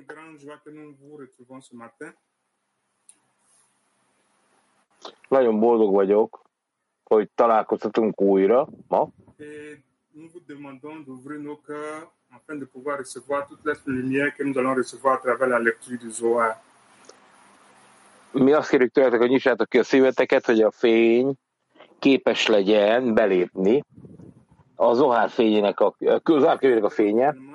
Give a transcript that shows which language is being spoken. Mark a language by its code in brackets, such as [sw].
[fr] C'est avec grande joie que nous vous retrouvons ce matin. [hu] Nagyon boldog vagyok, hogy találkozhatunk újra ma. [fr] Et nous vous demandons d'ouvrir nos cœurs afin de pouvoir recevoir toute la lumière que nous allons recevoir à travers la lecture du Zohar. [hu] Mi azt kérjük tőletek, hogy nyissátok ki a szíveteket, hogy a fény képes legyen belépni a Zohar fényének, a fénye.